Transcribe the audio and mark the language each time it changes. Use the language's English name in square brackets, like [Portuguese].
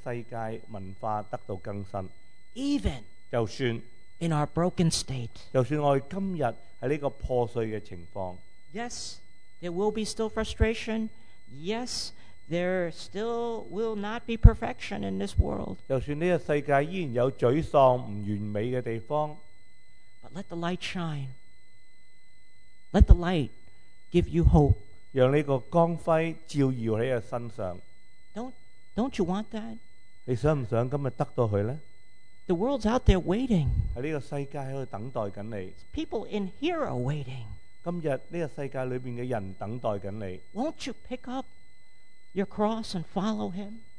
[Chinese] 你和我可以一起令到这个世界文化得到更新。 [English] Even [Chinese] 就算, [English] in our broken state. [Chinese] 就算我们今天在这个破碎的情况。 [English] Yes, there will be still frustration. Yes, there still will not be perfection in this world. [Chinese] 就算这个世界依然有沮丧不完美的地方。 [English] But let the light shine. Let the light give you hope. [Chinese] 让这个光辉照耀在你身上。 [English] Don't you want that? [Chinese] 你想不想今天得到它呢？ [English] The world's out there waiting. [Chinese] 这个世界在等待你。 [English] People in here are waiting. [Chinese] 今天这个世界里面的人等待你。 [English] Won't you pick up your cross and follow him?